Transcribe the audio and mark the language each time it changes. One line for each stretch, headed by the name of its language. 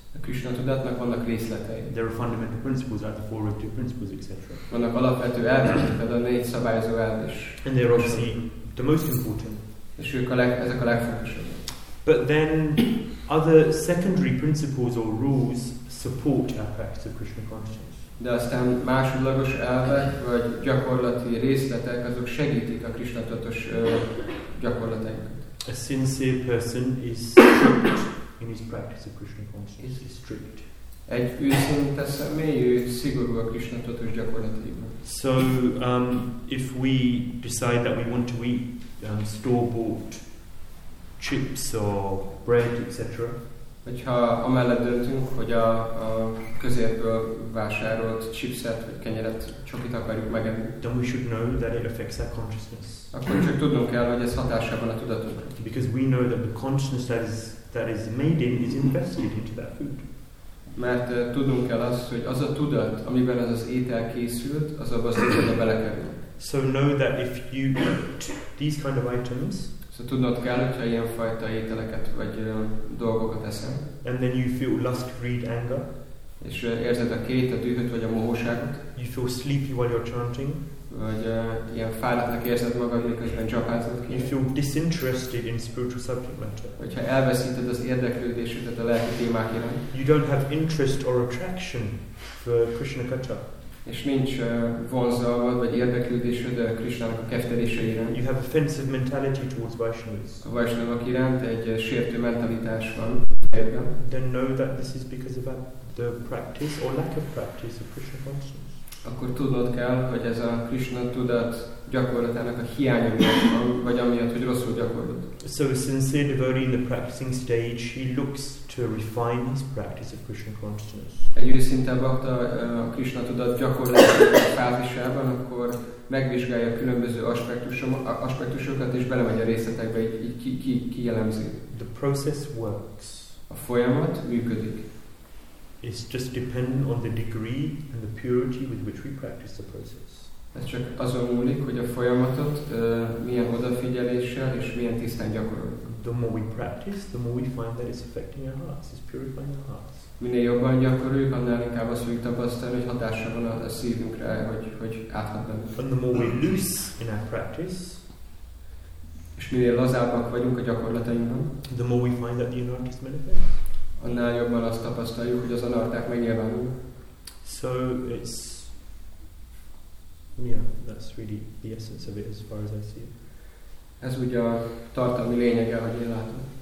Hungarian: A Krishna tudatnak vannak részletei.
English: There are fundamental principles, like the four relative principles, etc.
Hungarian: Vannak alapvető elvek, például a négy szabályozó elv is.
English: And they're obviously the most important.
Hungarian: És ők ezek a legfontosabbak.
English: But then other secondary principles or rules support our practice of Krishna consciousness.
Hungarian: De aztán másodlagos elvek vagy gyakorlati részletek, azok segítik a Krishna tudatos gyakorlatainkat.
English: A sincere person is strict in his practice of Krishna consciousness. Is strict.
Hungarian: Egy őszinte személy, ő szigorú a Krishna tudatos gyakorlatában.
English: So if we decide that we want to eat store-bought chips or bread, etc.
Hungarian: Hogyha amellett döntünk, hogy a közérből vásárolt chipset vagy kenyeret, csokit akarjuk megenni,
English: then we should know that it affects our consciousness.
Hungarian: Akkor csak tudnunk kell, hogy ez hatással van a tudatunkra.
English: Because we know that the consciousness that is made in is invested into that food.
Hungarian: Mert tudnunk kell azt, hogy az a tudat, amiben ez az étel készült, az abba szépen a belekerül.
English: So know that if you eat these kind of items,
Hungarian: so tudnod kell, hogyha ilyen fajta ételeket vagy dolgokat eszem.
English: And then you feel lust, greed, anger.
Hungarian: És érzed a kéjét, a dühöt vagy a mohóságot.
English: You feel sleepy while you're chanting.
Hungarian: Vagy ilyen fáradtnak érzed magad, miközben japázod ki.
English: You feel disinterested in spiritual subject matter.
Hungarian: Hogyha elveszíted az érdeklődésedet a lelki témák iránt.
English: You don't have interest or attraction for Krishna Katha.
Hungarian: És nincs vonzalmad vagy érdeklődésed a Krishnának a keftelése iránt.
English: You have offensive mentality towards Vaishnavas.
Hungarian: A Vaishnavak iránt egy sértő mentalitás van.
English: Then know that this is because of the practice or lack of practice of Krishna consciousness.
Hungarian: akkor tudnod kell, hogy ez a Krishna tudat gyakorlatának a hiánya miatt van, vagy amiatt, hogy rosszul gyakorlod.
English: So a sincere devotee in the practicing stage, he looks to refine his practice of Krishna consciousness.
Hungarian: Egy őszinte bhakta a Krishna tudat gyakorlatának a fázisában, akkor megvizsgálja a különböző aspektusokat, és belemegy a részletekbe, így kielemzi.
English: The process works.
Hungarian: A folyamat működik.
English: It's just dependent on the degree and the purity with which we practice the process.
Hungarian: Ez csak azon múlik, hogy a folyamatot milyen odafigyeléssel és milyen tisztán gyakoroljuk.
English: The more we practice, the more we find that it's affecting our hearts, it's purifying our hearts.
Hungarian: Minél jobban gyakoroljuk, annál inkább azt fogjuk tapasztalni, hogy hatása van a szívünkre, hogy áthat bennünk.
English: And the more we're loose in our practice,
Hungarian: és minél lazábbak vagyunk a gyakorlatainkban,
English: the more we find that the inner is manifest.
Hungarian: Annál jobban azt tapasztaljuk, hogy az anarták megnyilvánul.
English: So it's, yeah, that's really the essence of it as far as I see it.
Hungarian: Ez ugye a tartalmi lényege, hogy én látom.